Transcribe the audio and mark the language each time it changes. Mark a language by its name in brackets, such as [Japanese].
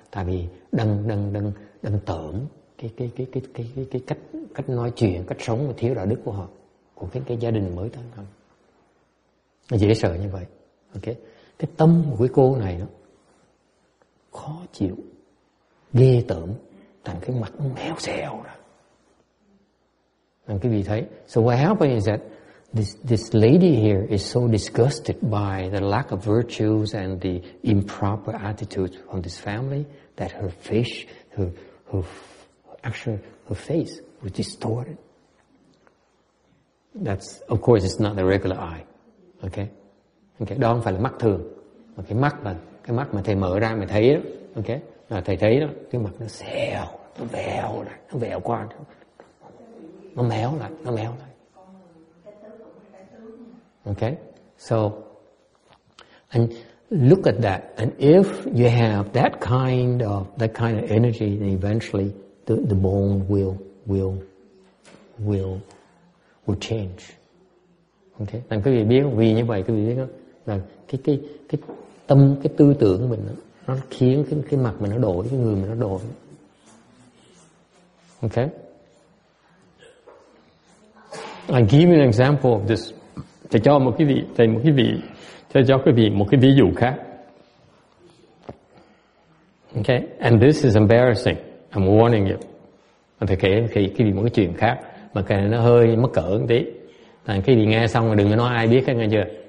[Vietnamese] Tại vì đâng tởm cái cách nói chuyện, cách sống và thiếu đạo đức của họ, của cái gia đình mới tới thăm. Dễ sợ như vậy. Okay. Cái tâm của cái cô này nó khó chịu, ghê tởm, thành cái mặt nó méo xẹo ra. Thành cái vị thấy. [English] So what happened is that this lady here is so disgusted by the lack of virtues and the improper attitude from this family that her fish, her face was distorted. That's, of course, it's not the regular eye. Okay? [Vietnamese] Okay, đó không phải là mắt thường. Mà cái mắt mà, cái mắt mà thầy mở ra mày thấy đó. Okay? Là thầy thấy đó, cái mặt nó xèo, nó vèo lại, nó vèo qua. Nó méo lại, nó méo lại. [English] Okay? So, and look at that. And if you have that kind of energy, then eventually the bone will change. Okay? [Vietnamese] Làm quý vị biết không? Vì như vậy quý vị biết không? Là cái tâm, cái tư tưởng mình nó khiến cái mặt mình nó đổi, cái người mình nó đổi. [English] Okay? I give you an example of this. [Vietnamese] Thầy cho một cái vị, thầy một cái vị, thầy cho quý vị một cái ví dụ khác. Okay? [English] And this is embarrassing. I'm warning you. [Vietnamese] Thầy kể cái vị một cái chuyện khác mà cái này nó hơi mắc cỡ một tí. Thầy khi đi nghe xong rồi đừng có nói ai biết hết nghe chưa?